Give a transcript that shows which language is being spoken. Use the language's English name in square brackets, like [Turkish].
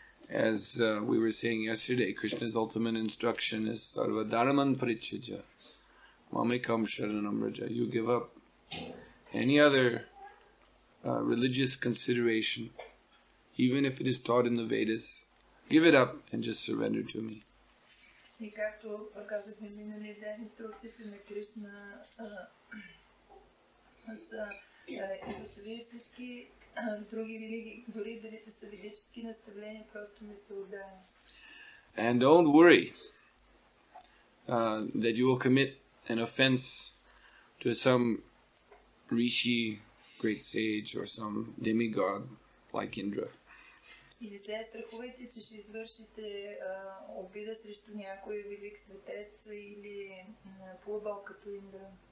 [English] As we were saying yesterday, Krishna's ultimate instruction is [Sanskrit] sarva dharman parichaja mamekam sharanam raja. [English] You give up any other religious consideration, even if it is taught in the Vedas, give it up and just surrender to me. [Bulgarian] И както казахме миналия ден, инструкциите на Кришна са и всички други религии, дори дали те са ведически наставления, просто ми се отдава. [English] And don't worry that you will commit an offense to some rishi, great sage, or some demigod like Indra. [Bulgarian] И не се страхувайте, че ще извършите обида срещу някой велик светец или полубог като Индра.